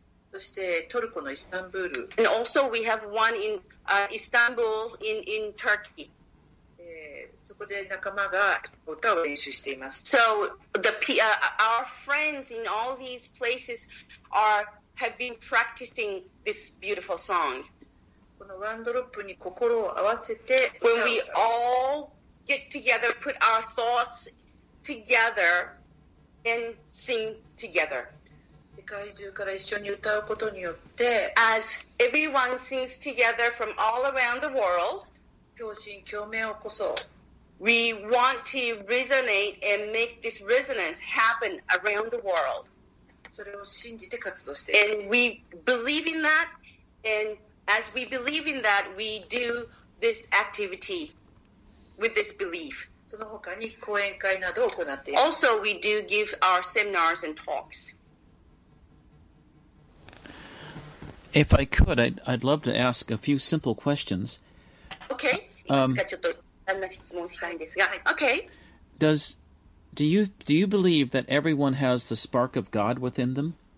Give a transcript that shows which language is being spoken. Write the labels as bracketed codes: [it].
[ja] そしてトルコのイスタンブール。 [en] And also we have one in Istanbul in Turkey. [ja] そこで仲間が歌を練習しています。 [en] So the our friends in all these places have been practicing this beautiful song. [ja] このワンドロップに心を合わせて。 [en] When we all get together, put our thoughts together and sing together. As everyone sings together from all around the world, [ja] 共振共鳴を起こそう。 [en] We want to resonate and make this resonance happen around the world. [ja] それを信じて活動しています。 [en] And we believe in that, and as we believe in that, we do this activity with this belief. [ja] その他に講演会などを行っています。 [en] Also, we do give our seminars and talks. If I could, I'd love to ask a few simple questions. Okay. Do you believe that everyone has the spark of God within them?